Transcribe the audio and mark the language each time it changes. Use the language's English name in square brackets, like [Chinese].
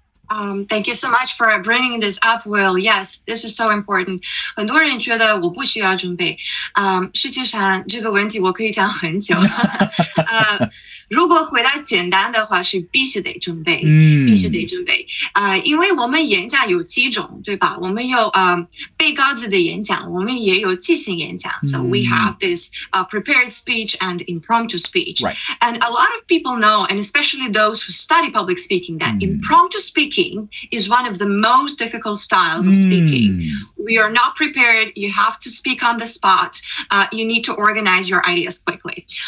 [English] Thank you so much for bringing this up, Will. Yes, this is so important. [Chinese] 很多人觉得我不需要准备。实际上这个问题我可以讲很久。如果回答简单的话是必须得准备、必须得准备。因为我们演讲有几种，对吧？我们有背稿子的演讲，我们也有即兴演讲。 [English] So we have this prepared speech and impromptu speech. Right. And a lot of people know, and especially those who study public speaking, that impromptu speaking is one of the most difficult styles of speaking. We are not prepared. You have to speak on the spot. You need to organize your ideas quickly.